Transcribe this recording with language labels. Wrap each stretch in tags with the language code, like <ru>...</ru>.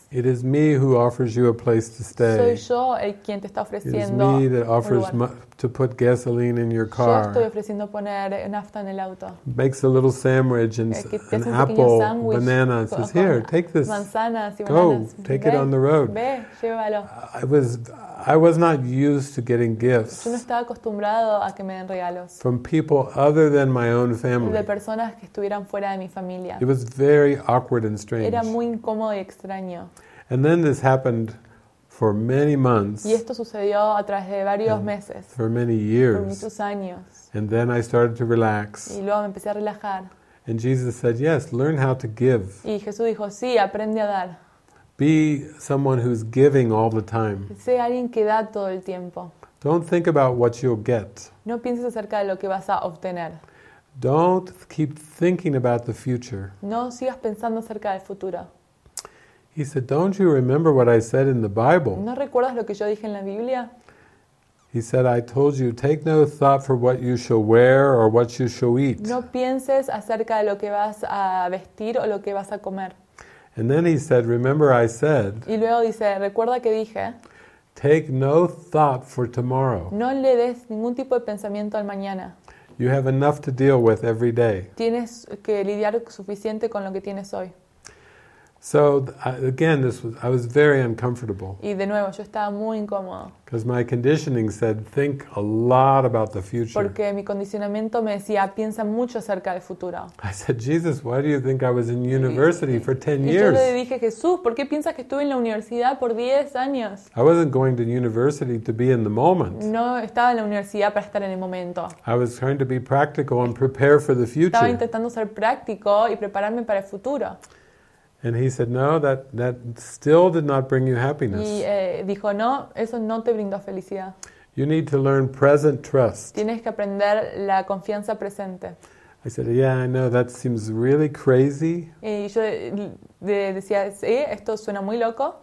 <en>It is me who offers you a place to stay.</en> <es>Soy yo el quien te está ofreciendo.</es> <en>It is me that offers to put gasoline in your car.</en> <es>Yo estoy ofreciendo poner nafta en el auto.</es> <en>Makes a little sandwich and an apple, banana, and says, here, take this.</en> <es>Manzanas y</es> <en>go,</en> <es>bananas.</es> <en>Take</en> <es>ve,</es> <en>it on the road.</en> <es>Ve, llévalo.</es> <en>I was not used to getting gifts.</en> <es>Yo no estaba acostumbrado a que me den regalos.</es> <en>From people other than my own family.</en> <es>De personas que estuvieran fuera de mi familia.</es> <en>It was very awkward and strange.</en> <es>Era muy incómodo y extraño.</es> <en>And then this happened for many months.</en> <es>Y esto sucedió a través de varios meses.</es> <en>For many years.</en> <es>Por muchos años.</es> <en>And then I started to relax.</en> <es>Y luego me empecé a relajar.</es> <en>And Jesus said, "Yes, learn how to give."</en> <es>Y Jesús dijo, "Sí, aprende a dar."</es> <en>Be someone who's giving all the time.</en> <es>Sé alguien que da todo el tiempo.</es> <en>Don't think about what you'll get.</en> <es>No pienses acerca de lo que vas a obtener.</es> <en>Don't keep thinking about the future.</en> <es>No sigas pensando acerca del futuro.</es> <en>He said, "Don't you remember what I said in the Bible?"</en> <es>¿No recuerdas lo que yo dije en la Biblia?</es> <en>He said, "I told you, take no thought for what you shall wear or what you shall eat."</en> <es>No pienses acerca de lo que vas a vestir o lo que vas a comer.</es> <en>And then he said, "Remember, I said."</en> <es>Y luego dice, recuerda que dije.</es> <en>Take no thought for tomorrow.</en> <es>No le des ningún tipo de pensamiento al mañana.</es> <en>You have enough to deal with every day.</en> <es>Tienes que lidiar suficiente con lo que tienes hoy.</es> <en>So again, I was very uncomfortable.</en> <es>Y de nuevo, yo estaba muy incómodo.</es> <en>Because my conditioning said, think a lot about the future.</en> <es>Porque mi condicionamiento me decía, piensa mucho acerca del futuro.</es> <en>I said, Jesus, why do you think I was in university for 10 years?</en> <es>Y yo le dije, Jesús, ¿por qué piensas que estuve en la universidad por 10 años?</es> <en>I wasn't going to university to be in the moment.</en> <es>No estaba en la universidad para estar en el momento.</es> <en>I was trying to be practical and prepare for the future.</en> <es>Estaba intentando ser práctico y prepararme para el futuro.</es> <en>And he said, no, that still did not bring you happiness.</en> <es>Y dijo, no, eso no te brindó felicidad.</es> <en>You need to learn present trust.</en> <es>Tienes que aprender la confianza presente.</es> <en>I said, yeah, I know, that seems really crazy.</en> <es>Y yo decía, sí, esto suena muy loco.</es>